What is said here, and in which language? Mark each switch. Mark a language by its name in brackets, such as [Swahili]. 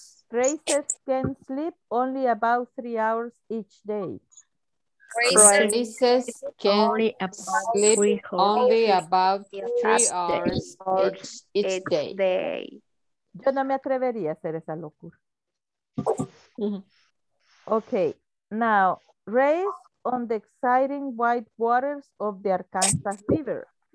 [English] Races can sleep only about 3 hours each day. Races can sleep only about 3 hours each day. [Spanish] Yo no me atrevería a hacer esa locura. [English] Okay, now, race on the exciting white waters of the Arkansas River.